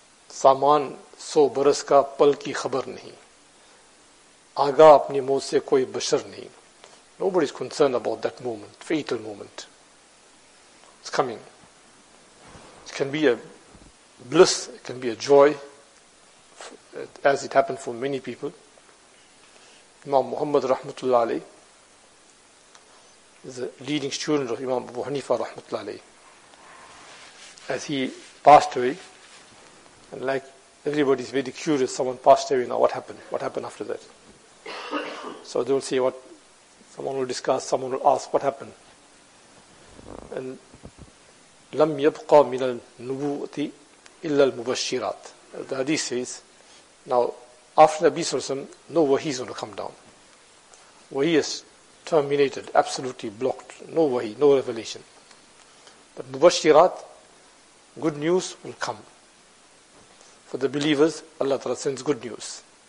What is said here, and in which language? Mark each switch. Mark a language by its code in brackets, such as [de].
[hi] सामान सो बरस का पल की खबर नहीं, आगा अपनी मौत से कोई बशर नहीं. [en] Nobody is concerned about that moment, fatal moment. It's coming. It can be a bliss, it can be a joy, as it happened for many people. Imam Muhammad rahmatullah alayh is a leading student of Imam Abu Hanifa rahmatullah alayh. As he passed away, and like everybody is very curious, someone passed away, now what happened? What happened after that? So they will see what someone will discuss, someone will ask what happened. [ar] And لَمْ يَبْقَى مِنَ النُّبُوَّةِ إِلَّا الْمُبَشِّرَاتِ. [en] The hadith says, now after Nabi Sallallahu Alaihi Wasallam, no wahi is going to come down. Wahi is terminated, absolutely blocked. No wahi, no revelation. But Mubashirat, good news will come. For the believers, Allah Ta'ala sends good news.